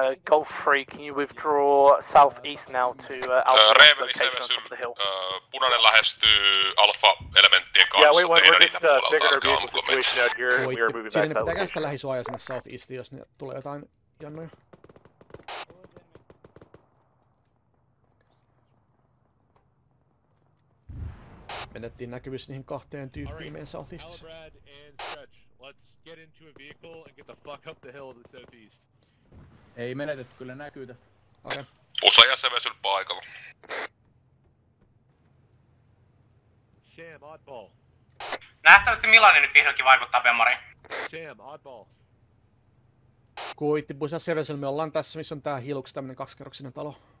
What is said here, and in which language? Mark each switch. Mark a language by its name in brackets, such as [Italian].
[English] Golf 3, can you withdraw southeast now to Alpha location on top of the hill? [Finnish] Punainen lähestyy Alpha elementtien kanssa. [English] Yeah, we're just bigger vehicle situation out here. We are moving back. [Finnish] Sinne pitää sitä lähisuojaa sinne southeastiin, jos ne tulee jotain jannoja. Menettiin näkyvyys niihin kahteen tyyppiin meidän southeastissa. [English] Alibrad and Stretch, let's get into a vehicle and get the fuck up the hill of the southeast. [Finnish] Ei menetetty, kyllä näkyy tästä. Okei. Pusa ja Sevesyl paikalla. [English] Sam, oddball. [Finnish] Nähtävästi millainen nyt vihdoinkin vaikuttaa, Bemari. [English] Sam, oddball. [Finnish] Kuitti, Pusa ja Sevesyl, me ollaan tässä, missä on tää Hiluks, tämmönen kaksikerroksinen talo.